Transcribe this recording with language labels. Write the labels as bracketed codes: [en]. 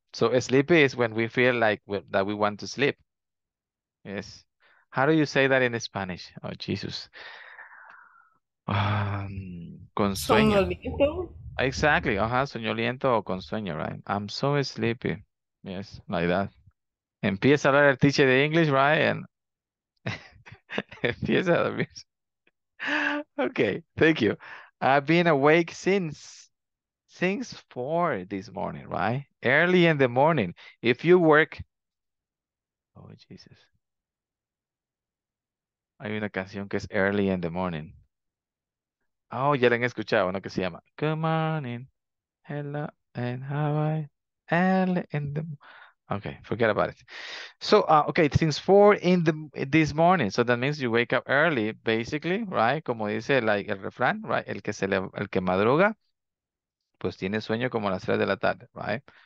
[en] So sleepy is when we feel like that we want to sleep. Yes. How do you say that in Spanish? Oh, Jesus. [es] Con sueño. Soñoliento. [en] Exactly. [es] Soñoliento o con sueño, [en] right? I'm so sleepy. Yes, like that. [es] Empieza a hablar el teacher de inglés, right? [en] And [es] empieza a dormir. [en] Okay, thank you. I've been awake since 4 this morning, right? Early in the morning. If you work... Oh, Jesus. [es] Hay una canción que es Early in the Morning. Oh, ya la han escuchado, ¿no? Que se llama... [en] Good morning, hello, and how are you? Early in the... Okay, forget about it. So, okay, since 4 in the this morning. So that means you wake up early, basically, right? [es] Como dice like el refrán, right? El que madruga, pues tiene sueño como a las 3 de la tarde, right?